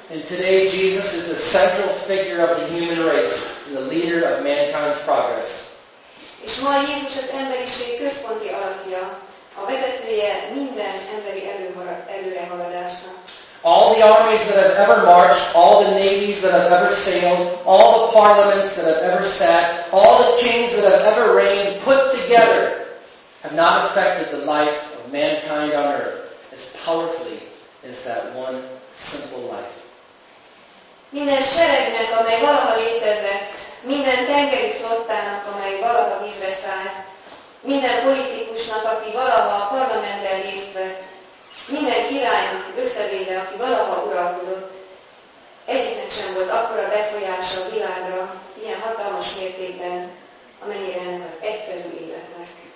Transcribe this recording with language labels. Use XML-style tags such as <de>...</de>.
<en>And today Jesus is the central figure of the human race and the leader of mankind's progress.</en> <hu>És ma Jézus az emberiség központi alakja, a vezetője minden emberi előrehaladásnak.</hu> <en>All the armies that have ever marched, all the navies that have ever sailed, all the parliaments that have ever sat, all the kings that have ever reigned, put together, have not affected the life of mankind on earth as powerfully as that one simple life.</en> <hu>Minden seregnek, amely valaha létezett, minden tengeri flottának, amely valaha vízbe szállt, minden politikusnak, aki valaha a parlamenten részt vett, minden királynak összevéve, aki valaha uralkodott, egyiknek sem volt akkora befolyása a világra, ilyen hatalmas mértékben, amennyire ennek az egyszerű életnek.</hu>